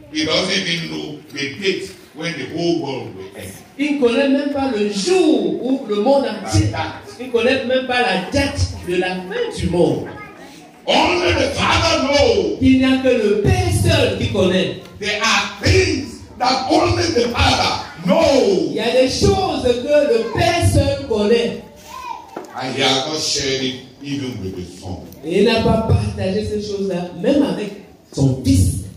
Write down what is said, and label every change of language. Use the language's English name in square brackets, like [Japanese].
[English] He doesn't even know the date when the whole world will end. [French] Il ne connaît même pas le jour où le monde entier. Il ne connaît même pas la date de la fin du monde. [English] Only the Father knows. [French] Il n'y a que le Père seul qui connaît. [English] There are things that only the Father knows. [French] Il y a des choses que le Père seul connaît. [English] And he has not shared it even with the Son. [French] Et il n'a pas partagé ces choses-là même avec son Fils.